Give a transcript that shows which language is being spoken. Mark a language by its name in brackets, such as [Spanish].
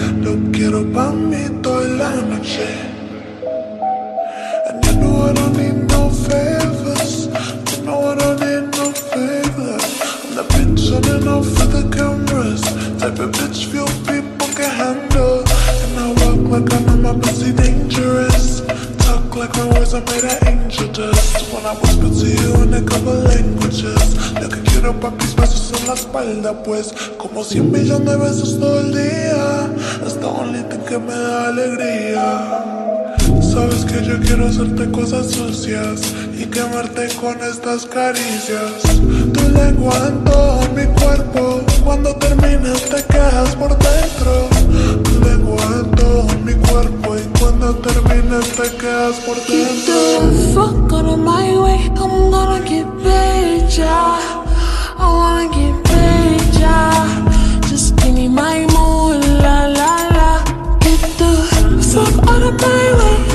[Spanish] Lo quiero pa' mí toda la noche. [English] And you know I don't need no favors. You know I don't need no favors. I'm the bitch on and off for the cameras. Type of bitch few people can handle. And I walk like I know my pussy dangerous. Talk like my words are made of angel dust. When I whisper to you in a couple languages. [Spanish] Lo que quiero pa' mis besos en la espalda pues. Como 100 millones de besos todo el día. [English] That's the only thing [Spanish] que me da alegría. Sabes que yo quiero hacerte cosas sucias y quemarte con estas caricias. Tu lengua en todo mi cuerpo, cuando termines te quedas por dentro. Tu lengua en todo mi cuerpo y cuando termines te quedas por dentro. [English] Get the fuck out of my way, I'm gonna get paid, yeah. I wanna get paid, yeah. Just give me my moon, la la la. Get the fuck out of my way.